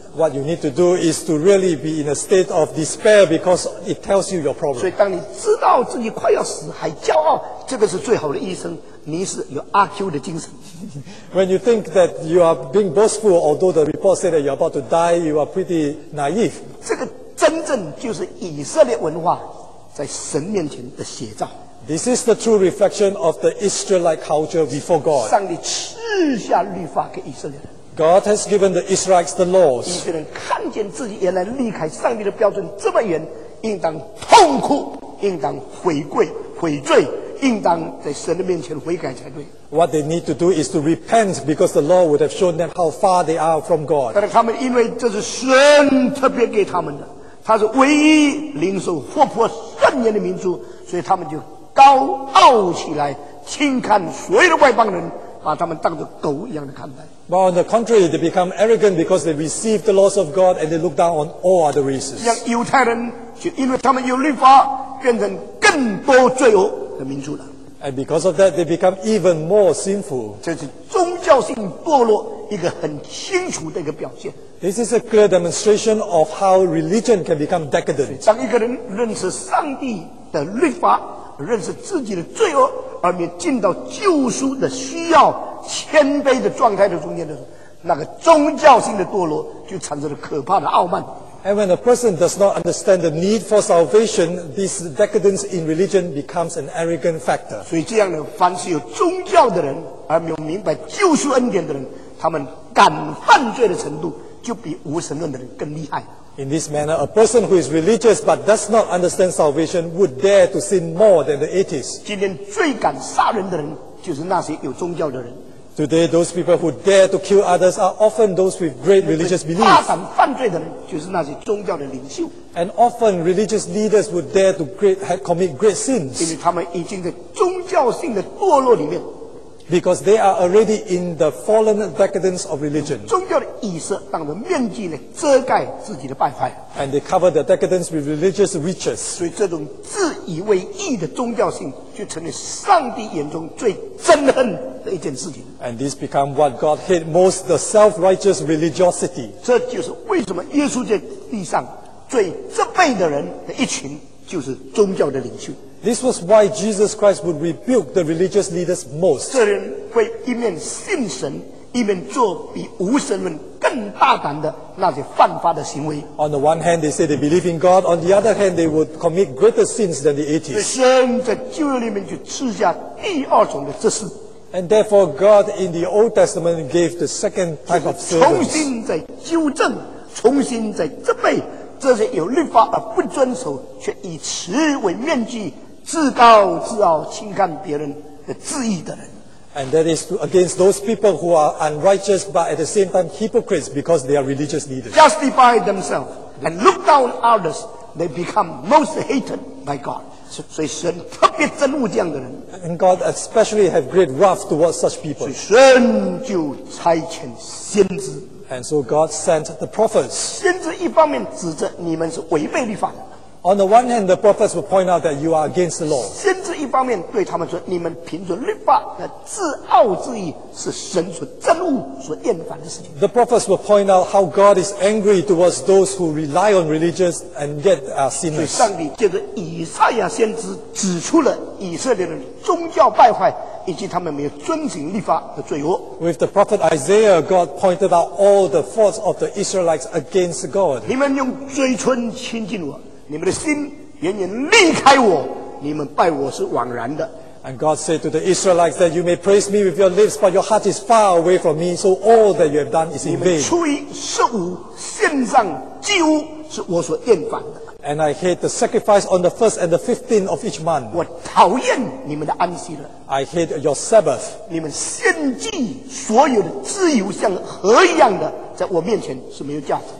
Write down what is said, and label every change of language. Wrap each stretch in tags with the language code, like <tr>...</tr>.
<en>What you need to do is to really be in a state of despair because it tells you your problem.</en> <zh>所以当你知道自己快要死还骄傲，这个是最好的医生，你是有阿 Q 的精神。</zh> <en>When you think that you are being boastful, although the report said that you are about to die, you are pretty naive.</en> <zh>这个真正就是以色列文化在神面前的写照。</zh> <en>This is the true reflection of the Israelite culture before God.</en> <zh>上帝赐下律法给以色列人。</zh> <en>God has given the Israelites the laws.</en> <zh>以色列人看见自己原来离开上帝的标准这么远，应当痛苦，应当悔跪、悔罪，应当在神的面前悔改才对。</zh> <en>What they need to do is to repent because the law would have shown them how far they are from God.</en> <zh>但是他们因为这是神特别给他们的，他是唯一领受活泼圣言的民族，所以他们就高傲起来，轻看所有的外邦人，把他们当作狗一样的看待。</zh> <en>But on the contrary, they become arrogant because they receive the laws of God and they look down on all other races.</en> <zh>像犹太人，就因为他们有律法，变成更多罪恶的民族了。</zh> <en>And because of that, they become even more sinful.</en> <zh>这是宗教性堕落一个很清楚的一个表现。</zh> <en>This is a clear demonstration of how religion can become decadent.</en> <zh>当一个人认识上帝的律法，认识自己的罪恶，而没进到救赎的需要、谦卑的状态的中间的时候，那个宗教性的堕落就产生了可怕的傲慢。</zh> <en>And when a person does not understand the need for salvation, this decadence in religion becomes an arrogant factor.</en> <zh>所以这样的，凡是有宗教的人而没有明白救赎恩典的人，他们敢犯罪的程度就比无神论的人更厉害。</zh> <en>In this manner, a person who is religious but does not understand salvation would dare to sin more than the atheists.</en> <zh>今天最敢杀人的人就是那些有宗教的人。</zh> <en>Today, those people who dare to kill others are often those with great religious beliefs.</en> <zh>大胆犯罪的人就是那些宗教的领袖。</zh> <en>And often, religious leaders would dare to commit great sins.</en> <zh>因为他们已经在宗教性的堕落里面。</zh> <en>Because they are already in the fallen decadence of religion.</en> <zh>宗教的以色当着面具来遮盖自己的败坏。</zh> <en>And they cover their decadence with religious riches.</en> <zh>所以这种自以为义的宗教性就成为上帝眼中最憎恨的一件事情。</zh> <en>And this become what God hate most, the self-righteous religiosity.</en> <zh>这就是为什么耶稣在地上最责备的人的一群就是宗教的领袖。</zh> <en>This was why Jesus Christ would rebuke the religious leaders most.</en> <zh>这人会一面信神，一面做比无神论更大胆的那些犯法的行为。</zh> <en>On the one hand, they say they believe in God. On the other hand, they would commit greater sins than the atheists.</en> <zh>神在旧约里面就赐下第二种的执事。</zh> <en>And therefore, God in the Old Testament gave the second type of servants.</en> <zh>重新在纠正，重新在责备。这些有律法而不遵守，却以慈为面具，自高自傲，轻看别人的自义的人。</zh> <en>And that is against those people who are unrighteous, but at the same time hypocrites because they are religious leaders. Justify themselves and look down others, they become most hated by God.</en> <zh>所以神特别憎恶这样的人。</zh> <en>And God especially have great wrath towards such people.</en> <zh>所以神就差遣先知。</zh> <en>And so God sent the prophets.</en> <zh>先知一方面指责你们是违背律法的。</zh> <en>On the one hand, the prophets will point out that you are against the law.</en> <zh>先知一方面对他们说，你们凭着律法的自傲之意，是神所憎恶、所厌烦的事情。</zh> <en>The prophets will point out how God is angry towards those who rely on religious and yet are sinners.</en> <zh>所以上帝借着以赛亚先知指出了以色列人宗教败坏。以及他们没有遵行律法的罪恶。</zh> <en>With the prophet Isaiah, God pointed out all the faults of the Israelites against God.</en> <zh>你们用嘴唇亲近我，你们的心远远离开我，你们拜我是枉然的。</zh> <en>And God said to the Israelites that you may praise me with your lips, but your heart is far away from me, so all that you have done is in vain.</en> <zh>你们初一十五献上祭物是我所厌烦的。</zh> <en>And I hate the sacrifice on the first and the 15th of each month.</en> <zh>我讨厌你们的安息日。</zh> <en>I hate your Sabbath.</en> <zh>你们献祭所有的自由像河一样的，在我面前是没有价值。</zh>